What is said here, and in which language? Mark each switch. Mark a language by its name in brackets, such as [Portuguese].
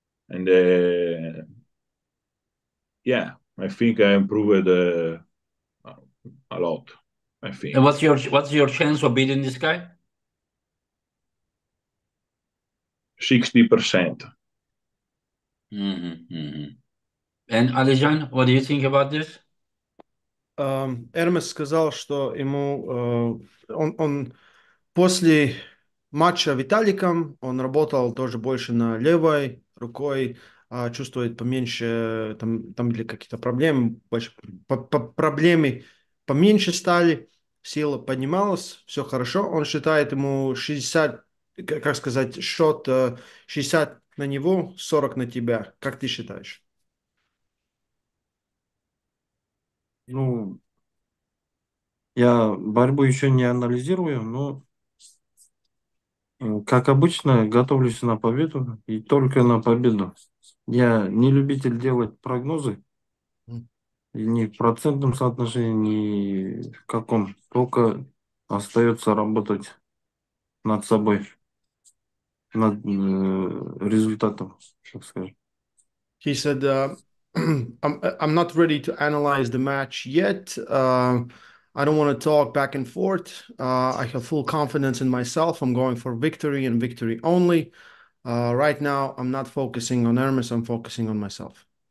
[English] And yeah, I think I improved a lot, I think. And what's your chance of beating this guy? 60%. Mm-hmm. And Alizhan, what do you think about this? [Russian] Эрмес сказал, что ему он после матча Виталиком он работал тоже больше на левой рукой, чувствует поменьше там были какие-то проблемы, больше проблемы поменьше стали, сила поднималась, все хорошо. Он считает ему 60, как сказать, счет 60 на него, 40 на тебя. Как ты считаешь? Ну, я борьбу еще не анализирую, но как обычно, готовлюсь на победу и только на победу. Я не любитель делать прогнозы и ни в процентном соотношении, ни в каком. Только остается работать над собой, над результатом, так скажем. [English] He said, I'm not ready to analyze the match yet. I don't want to talk back and forth. I have full confidence in myself. I'm going for victory and victory only. Right now, I'm not focusing on Ermes. I'm focusing on myself.